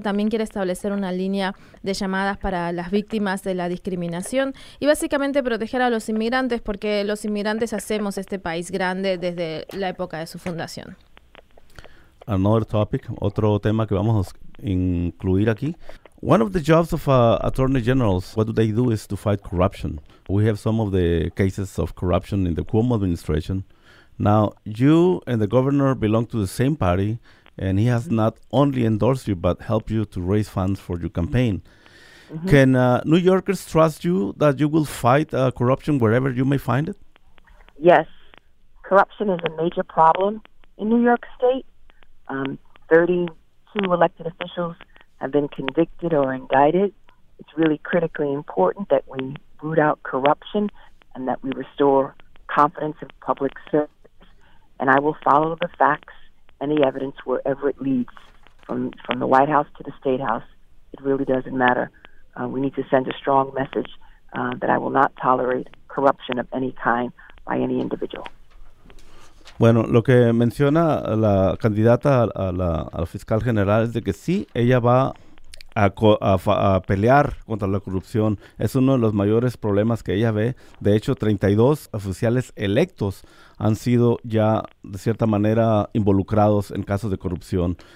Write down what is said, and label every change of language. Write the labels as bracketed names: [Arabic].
[Spanish] También quiere establecer una línea de llamadas para las víctimas de la discriminación y básicamente proteger a los inmigrantes, porque los inmigrantes hacemos este país grande desde la época de su fundación. [English] Another topic, [Spanish] otro tema que vamos a incluir aquí. [English] One of the jobs of attorney generals, what do they do, is to fight corruption. We have some of the cases of corruption in the Cuomo administration. Now, you and the governor belong to the same party, and he has not only endorsed you, but helped you to raise funds for your campaign. Mm-hmm. Can New Yorkers trust you that you will fight corruption wherever you may find it? Yes. Corruption is a major problem in New York State. 32 elected officials have been convicted or indicted. It's really critically important that we root out corruption and that we restore confidence in public service. And I will follow the facts and the evidence wherever it leads, from the White House to the State House. It really doesn't matter. We need to send a strong message that I will not tolerate corruption of any kind by any individual. [Spanish] Bueno, lo que menciona la candidata a la fiscal general es de que sí, ella va a pelear contra la corrupción. Es uno de los mayores problemas que ella ve. De hecho, 32 oficiales electos han sido ya, de cierta manera, involucrados en casos de corrupción.